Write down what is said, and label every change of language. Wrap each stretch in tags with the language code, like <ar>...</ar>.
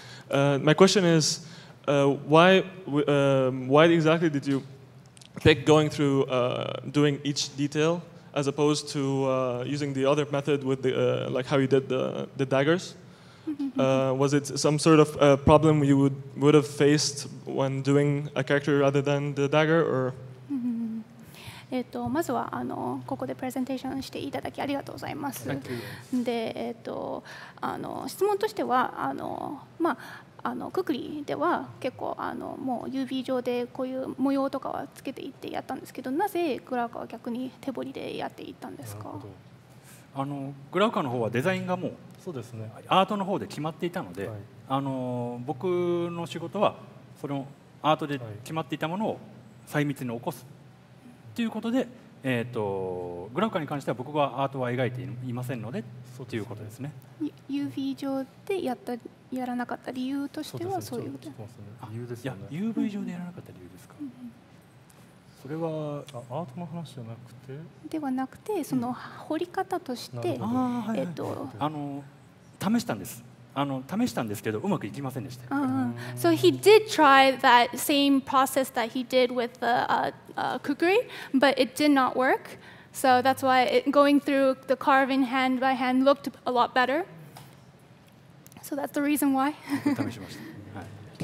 <en>My question is, why exactly did you pick going through doing each detail as opposed to using the other method with the, like how you did the daggers? Was it some sort of problem you would have faced when doing a character other than the dagger, or?</en> <ja>まずはここでプレゼンテーションしていただきありがとうございます。で、質問としては、まあ、クックリでは結構もう UV 上でこういう模様とかはつけていってやったんですけど、なぜグラウカは逆に手彫りでやっていったんですか？グラウカの方はデザインがもう。そうですね、アートの方で決まっていたので、はい、僕の仕事はそのアートで決まっていたものを細密に起こすと、はい、いうことで、グラウカに関しては僕はアートは描いていませんのでと、ね、いうことですね。 UV 上でやらなかった理由としてはそういうこと、ね、理由ですよね。いや UV 上でやらなかった理由ですか、うんうん、それはアートの話じゃなくてではなくて、その彫り方として、うん、試したんです。試したんですけど、うまくいきませんでした。</ja> <en>So he did try that same process that he did with the Kukri, but it did not work. So that's why going through the carving hand by hand looked a lot better. So that's the reason why.</en> <ja>試しました。</ja>